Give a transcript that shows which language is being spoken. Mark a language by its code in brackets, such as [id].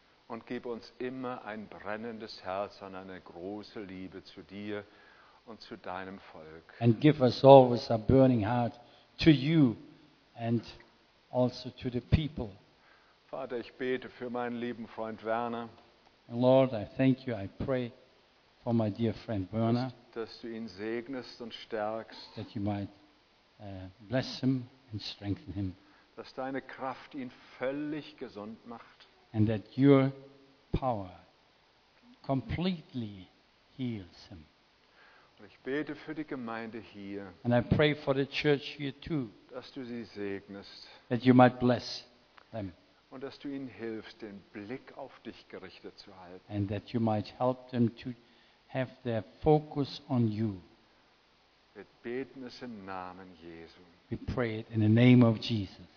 [de] Und gib uns immer ein brennendes Herz und eine große Liebe zu dir und zu deinem Volk. [en] And give us always a burning heart to you and also to the people. [de] Vater, ich bete für meinen lieben Freund Werner. [en] And Lord, I thank you, I pray for my dear friend Werner. [de] Dass du ihn segnest und stärkst. [en] That you might bless him and strengthen him. [de] Dass deine Kraft ihn völlig gesund macht. [en] And that your power completely heals him. [de] Und ich bete für die Gemeinde hier. [en] And I pray for the church here too. [de] Dass du sie segnest. [en] That you might bless them. [de] Und dass du ihnen hilfst, den Blick auf dich gerichtet zu halten. [en] And that you might help them to have their focus on you. [de] Wir beten es im Namen Jesu. [en] We pray it in the name of Jesus.